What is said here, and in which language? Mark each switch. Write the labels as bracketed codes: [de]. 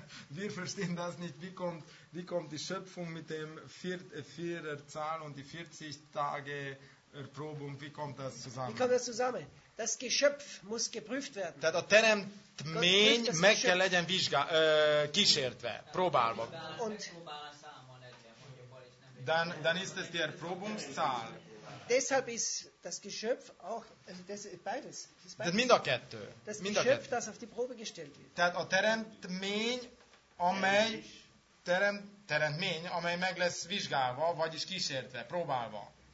[de] Wir verstehen das nicht, wie kommt die Schöpfung mit dem 4er Zahl und die 40 Tage Erprobung, wie kommt das zusammen? Wie kommt das zusammen? Das Geschöpf muss geprüft werden. [hu] Tehát a teremtmény meg kell legyen kísértve, próbálva. [de] Dann ist es die Erprobungszahl. Deshalb ist das Geschöpf auch, also das ist beides. [hu] Tehát mind a kettő. [de] Das Geschöpf, das auf die Probe gestellt wird. [hu] Tehát a teremtmény, amely teremtmény, amely meg lesz vizsgálva, vagyis kísértve, próbálva.